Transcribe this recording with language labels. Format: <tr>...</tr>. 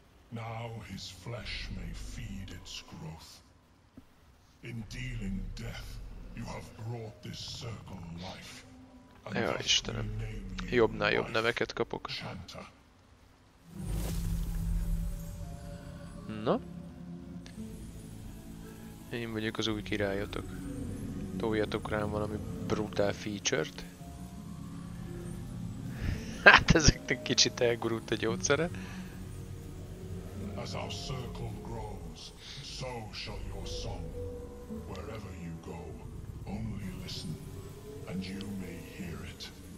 <en>Now his flesh may feed its growth. In dealing death, you have brought this circle life.</en> <hu>Ja, Istenem. Jobbnál jobb neveket kapok. Na? Én vagyok az új királyotok. Toljatok rám valami brutál feature-t. Hát ezeknek kicsit elgurult a gyógyszere.</hu> <en>As our circle grows, so shall your song. Wherever you go, only listen, and you may hear it.</en>